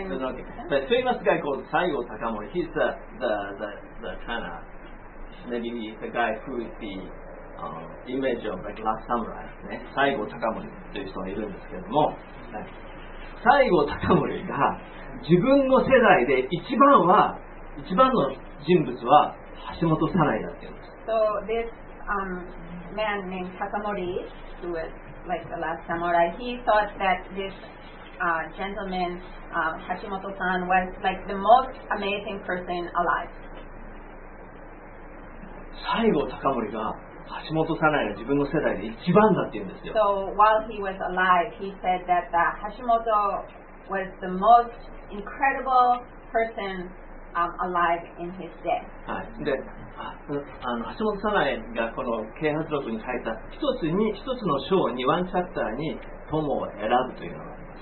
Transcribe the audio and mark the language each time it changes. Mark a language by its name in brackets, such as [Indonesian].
[English] There's a famous guy called 西郷隆盛. He's the kind of maybe the guy who is the image of like last samurai. [Japanese] 西郷隆盛という人がいるんですけれども、西郷隆盛が自分の世代で一番の人物は橋本早苗だっていうんです。 [English] So this man named 隆盛, who is like the last samurai, he thought that this. Gentleman, Hashimoto-san was like the most amazing person alive. [Japanese] 西郷隆盛が橋本早苗が自分の世代で一番だって言うんですよ。 [English] So while he was alive, he said that Hashimoto was the most incredible person alive in his day. [Japanese] はい。で、橋本早苗がこの啓発録に書いた一つの章に、ワンチャプターに友を選ぶというのが、